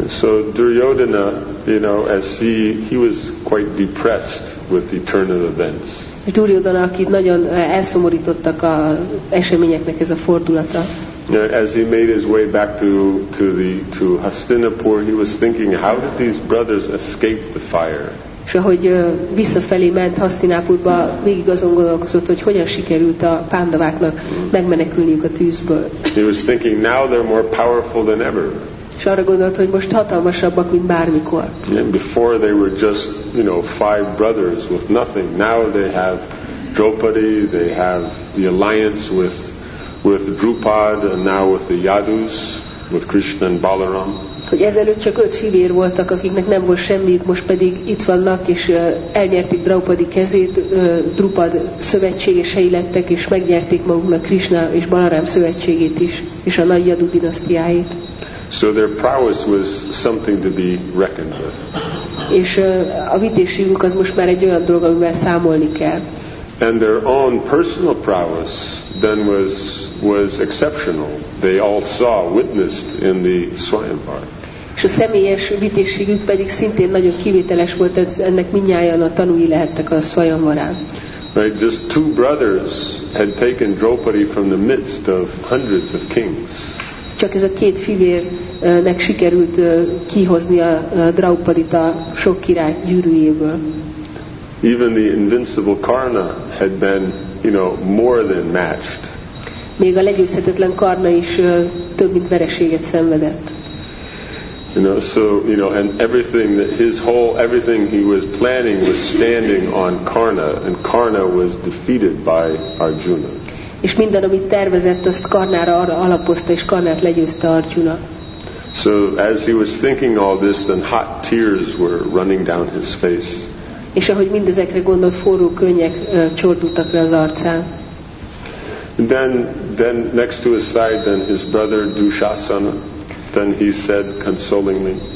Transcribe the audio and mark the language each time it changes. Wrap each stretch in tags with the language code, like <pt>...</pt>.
<en>So Duryodhana, you know, as he was quite depressed with the turn of events.</en> <hu>És Duryodhana, akit nagyon elszomorítottak a eseményeknek ez a fordulata.</hu> <en>As he made his way back to Hastinapur, he was thinking, how did these brothers escape the fire?</en> <hu>És ahogy visszafelé ment Hastinapurba, végig azon gondolkozott, hogy hogyan sikerült a Pándaváknak megmenekülniük a tűzből.</hu> <en>He was thinking, now they're more powerful than ever.</en> <hu>És arra gondolt, hogy most hatalmasabbak, mint bármikor.</hu> <en>And before they were just, you know, five brothers with nothing. Now they have Draupadi, they have the alliance with Drupad, and now with the Yadus, with Krishna and Balaram.</en> <hu>Hogy ezelőtt csak öt fivér voltak, akiknek nem volt semmiük, most pedig itt vannak, és elnyerték Draupadi kezét, Drupad szövetségesei lettek, és megnyerték maguknak Krishna és Balaram szövetségét is, és a nagy Yadu dinasztiáit.</hu> <en>So their prowess was something to be reckoned with.</en> <hu>És a vitésségük az most már egy olyan dolog, amivel számolni kell.</hu> <en>And their own personal prowess then was exceptional. They all saw, witnessed in the Swayamvar.</en> <hu>És a személyes vitésségük pedig szintén nagyon kivételes volt, ennek mindnyájan a tanúi lehettek a Swayamvarán.</hu> <en>Right, just two brothers had taken Draupadi from the midst of hundreds of kings.</en> <hu>Csak ez a két fivérnek sikerült kihozni a Draupadit a sok király gyűrűjéből.</hu> <en>Even the invincible Karna had been, you know, more than matched.</en> <hu>Még a legyőzhetetlen Karna is több mint vereséget szenvedett.</hu> <en>You know, so, you know, and everything he was planning was standing on Karna, and Karna was defeated by Arjuna.</en> <hu>És minden, amit tervezett, azt Karnára arra alapozta, és Karnát legyőzte Arjuna.</hu> <en>So as he was thinking all this, then hot tears were running down his face.</en> <hu>És ahogy mindezekre gondolt, forró könnyek csordultak le az arcán.</hu> <en>Then next to his side, then his brother Dushasana, then he said consolingly.</en>